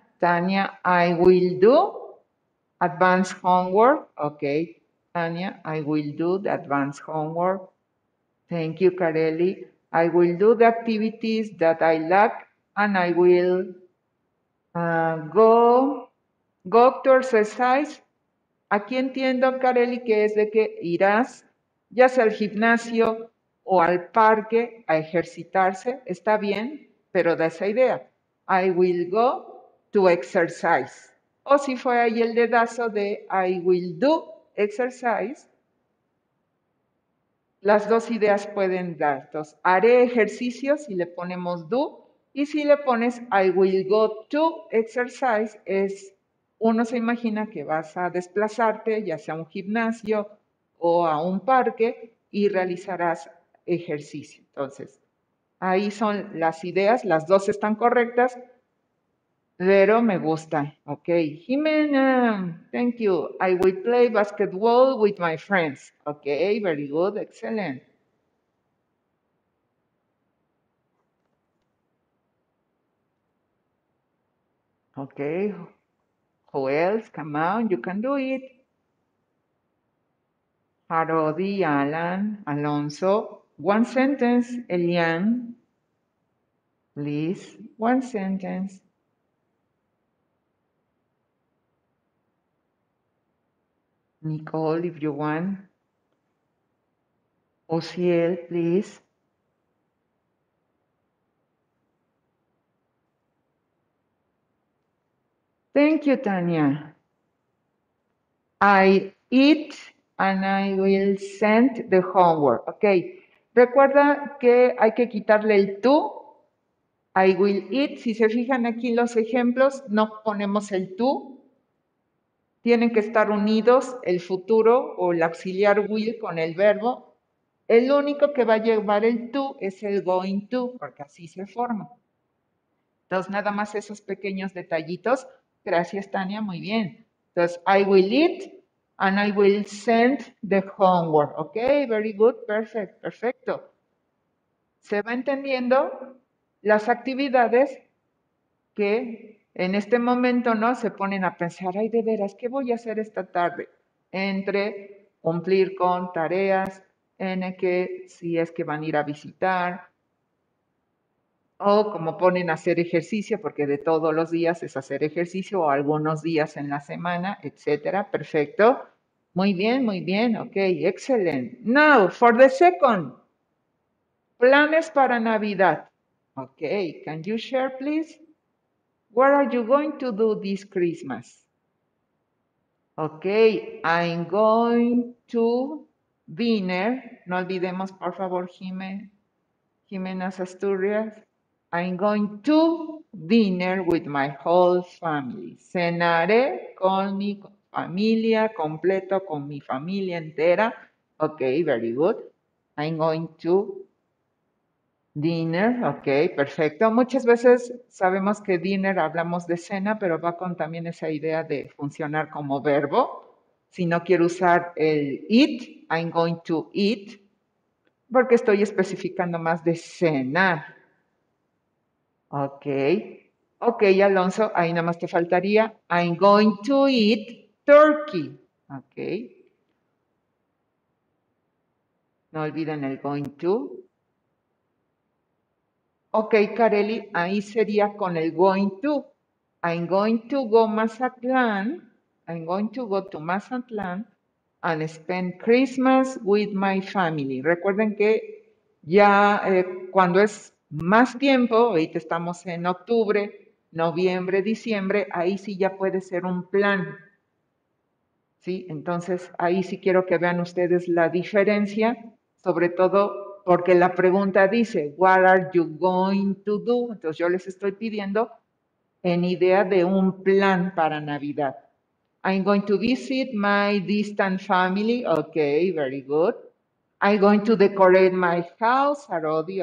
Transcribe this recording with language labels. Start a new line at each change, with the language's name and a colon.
English: Tanya, I will do advanced homework. Okay, Tanya, I will do the advanced homework. Thank you, Kareli. I will do the activities that I lack and I will go to exercise.
Spanish: Aquí entiendo, Kareli, que es de que irás ya sea al gimnasio o al parque a ejercitarse. Está bien, pero da esa idea.
English: I will go to exercise.
Spanish: O si fue ahí el dedazo de
English: I will do exercise,
Spanish: las dos ideas pueden dar. Entonces, haré ejercicio si le ponemos do, y si le pones
English: I will go to exercise
Spanish: es... Uno se imagina que vas a desplazarte, ya sea a un gimnasio o a un parque, y realizarás ejercicio. Entonces, ahí son las ideas, las dos están correctas, pero me gusta.
English: Ok, Jimena, thank you. I will play basketball with my friends. Ok, very good, excellent. Ok. Who else? Come on, you can do it. Parodi, Alan, Alonso. One sentence, Elian. Please, one sentence. Nicole, if you want. Osiel, please. Thank you, Tanya. I eat and I will send the homework.
Spanish: Ok, recuerda que hay que quitarle el tú.
English: I will eat.
Spanish: Si se fijan aquí en los ejemplos, no ponemos el tú. Tienen que estar unidos el futuro o el auxiliar will con el verbo. El único que va a llevar el tú es el going to, porque así se forma. Entonces, nada más esos pequeños detallitos. Gracias, Tania. Muy bien. Entonces,
English: I will eat and I will send the homework. Ok, very good. Perfect,
Spanish: perfecto. Se va entendiendo las actividades que en este momento, ¿no?, se ponen a pensar, ay, de veras, ¿qué voy a hacer esta tarde? Entre cumplir con tareas, en que si es que van a ir a visitar, o como ponen hacer ejercicio, porque de todos los días es hacer ejercicio, o algunos días en la semana, etcétera. Perfecto. Muy bien,
English: ok, excellent. Now, for the second,
Spanish: planes para Navidad.
English: Ok, can you share, please? What are you going to do this Christmas? Ok, I'm going to dinner.
Spanish: No olvidemos, por favor, Jimena Asturias.
English: I'm going to dinner with my whole family.
Spanish: Cenaré con mi familia, completo con mi familia entera.
English: Okay, very good. I'm going to dinner. Okay,
Spanish: perfecto. Muchas veces sabemos que dinner hablamos de cena, pero va con también esa idea de funcionar como verbo. Si no quiero usar el eat,
English: I'm going to eat,
Spanish: porque estoy especificando más de cenar.
English: Ok, ok, Alonso,
Spanish: ahí nada más te faltaría,
English: I'm going to eat turkey, ok.
Spanish: No olviden el going to. Ok, Kareli, ahí sería con el going to.
English: I'm going to go Mazatlán, I'm going to go to Mazatlán and spend Christmas with my family.
Spanish: Recuerden que ya cuando es más tiempo, ahorita estamos en octubre, noviembre, diciembre, ahí sí ya puede ser un plan. ¿Sí? Entonces, ahí sí quiero que vean ustedes la diferencia, sobre todo porque la pregunta dice,
English: what are you going to do?
Spanish: Entonces, yo les estoy pidiendo en idea de un plan para Navidad.
English: I'm going to visit my distant family. Okay, very good. I'm going to decorate my house, Arodi.